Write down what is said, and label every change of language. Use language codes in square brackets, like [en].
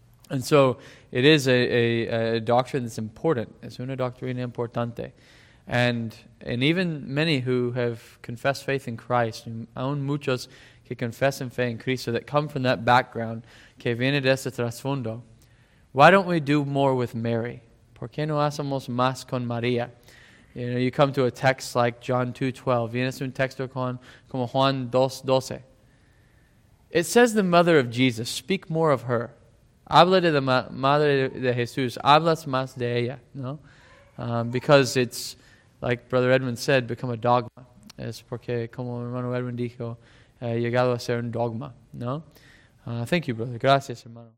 [en] And so it is a doctrine that's important. [es] Es una doctrina importante. [en] And even many who have confessed faith in Christ, [es] aún muchos que confesan fe en Cristo, [en] that come from that background, [es] que viene de ese trasfondo, [en] why don't we do more with Mary? [es] ¿Por qué no hacemos más con María? [en] You know, you come to a text like John 2:12. [es] Vienes un texto con como Juan 2:12. [en] It says the mother of Jesus, speak more of her. [es] Habla de la madre de Jesús, hablas más de ella, no? [en] Because it's, like Brother Edwin said, become a dogma. [es] Es porque, como hermano Edwin dijo, llegado a ser un dogma, no? [en] Thank you, brother. [es] Gracias, hermano.